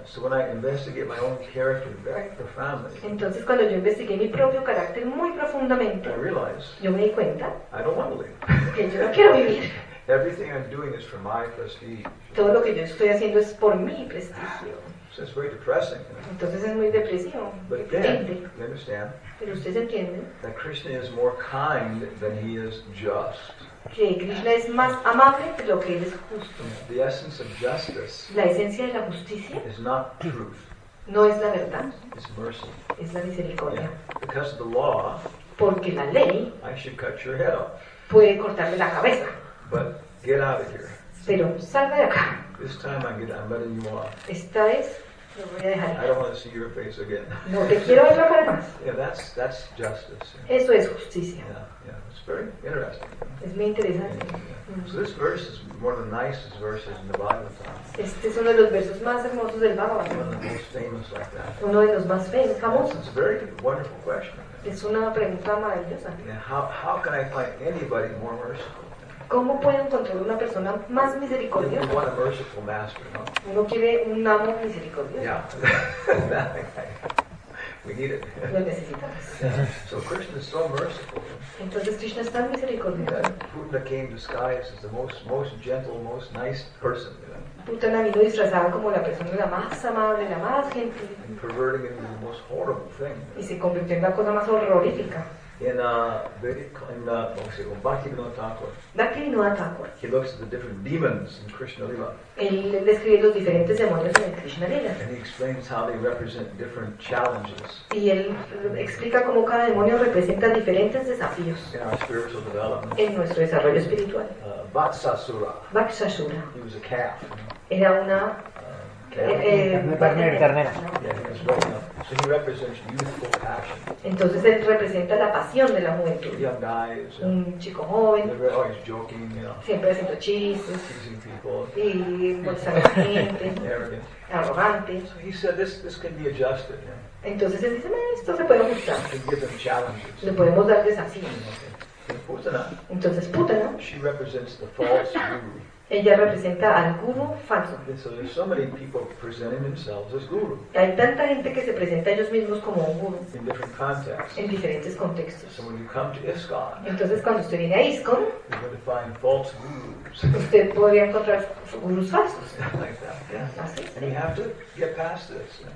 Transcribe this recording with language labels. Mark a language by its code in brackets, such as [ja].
[en] So when I investigate my own character very profoundly. [es] Entonces cuando yo investigué mi propio carácter muy profundamente. [en] I realized. [es] Yo me di cuenta. [en] I don't want to live. [es] Que yo no quiero vivir. [en] Everything I'm doing is for my prestige. [es] Todo lo que yo estoy haciendo es por mi prestigio. [en] So it's very depressing. You know? [es] Entonces es muy depresivo. [en] But then, you understand. [es] Pero ustedes entienden. [en] That Krishna is more kind than he is just. [es] Que Krishna es más amable de lo que él es justo. [en] The essence of justice, [es] la esencia de la justicia, [en] is not truth, [es] no es la verdad, [en] it's mercy. [es] Es la misericordia. [en] Yeah. Because of the law, [es] porque la ley, [en] I should cut your head off, [es] puede cortarle la cabeza. [en] But get out of here. [es] Pero salga de acá. [en] This time I'm letting you off. [es] Esta vez lo voy a dejar. [en] I don't want to see your face again. [es] No te quiero ver la cara más. [en] Yeah, that's justice. [es] Eso es justicia. [en] Yeah. Very interesting. [es] Es muy interesante. [en] So this verse is one of the nicest verses in the Bhagavatam. [es] Este es uno de los versos más hermosos del Bhagavatam. [en] One of the most famous like that. [es] Uno de los más famosos. [en] It's a very wonderful question. [es] Es una pregunta maravillosa. [en] Now, how can I find anybody more merciful? [es] ¿Cómo puedo encontrar una persona más misericordiosa? [en] You want a merciful master, no? [es] Uno quiere un amo misericordioso. [en] Yeah. We need it. [es] Lo necesitamos. [en] So Krishna is so merciful. [es] Entonces Krishna es tan misericordioso. [en] Putana came disguised as the most gentle, most nice person. You know? [es] Putana vino disfrazada como la persona la más amable, la más gentil. [en] And perverting into the most horrible thing. [es] Y se convirtió en la cosa más horrorífica. [en] In Bhaktivinoda Thakur. [es] Bhaktivinoda Thakur. [en] He looks at the different demons in Krishna Lila. [es] Él describe los diferentes demonios en Krishna Lila. [en] And he explains how they represent different challenges. [es] Y él explica cómo cada demonio representa diferentes desafíos. [en] In our spiritual development. [es] En nuestro desarrollo espiritual. [en] Vatsasura. [es] Vatsasura. [en] He was a calf. You know? [es] Era una ternera. [en] So he represents youthful passion. [es] Entonces él representa la pasión de la juventud. [en] Young guys, [es] un chico joven. [en] Very always joking, you know. [es] Siempre haciendo chistes. [en] Teasing people. [es] Y molestando a gente. Arrogante. [en] So he said this can be adjusted. Yeah. [es] Entonces él dice, esto se puede ajustar. [en] Can give them challenges. [es] Le podemos dar desafíos. [en] Okay. Putana, [es] entonces Putana. [en] She represents the false guru. [es] Ella representa al guru falso. [en] So there's so many people presenting themselves as guru. [es] Hay tanta gente que se presenta ellos mismos como un guru. [en] In different contexts. [es] En diferentes contextos. [en] So when you come to ISKCON, [es] entonces cuando usted viene a ISKCON, [en] you're going to find false gurus. [es] Usted podría encontrar gurus falsos. [en] Like that, yeah. [es] Así. [en] And you have to get past this.